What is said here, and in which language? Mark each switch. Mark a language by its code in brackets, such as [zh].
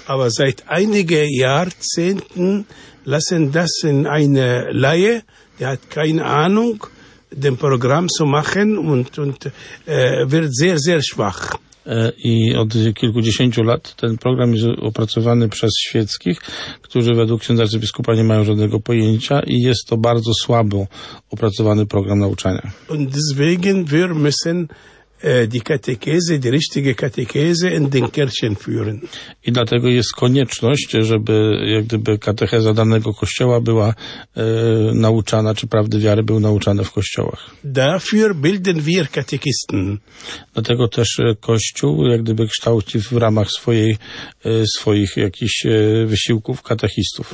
[de] Aber seit einigen Jahrzehnten lassen das in eine Laie, der hat keine Ahnung, den Programm zu machen und wird sehr, sehr schwach. [pl] I od kilkudziesięciu lat ten program jest opracowany przez świeckich, którzy według księdza arcybiskupa nie mają żadnego pojęcia i jest to bardzo słabo opracowany program nauczania. [de] Und deswegen wir müssen die Katechese, die richtige Katechese in den Kirchen führen. [pl] I dlatego jest konieczność, żeby jak gdyby katecheza danego kościoła była nauczana, czy prawdy wiary były nauczane w kościołach. [de] Dafür bilden wir Katechisten. [pl] Dlatego też kościół jak gdyby kształci w ramach swoich jakichś wysiłków katechistów.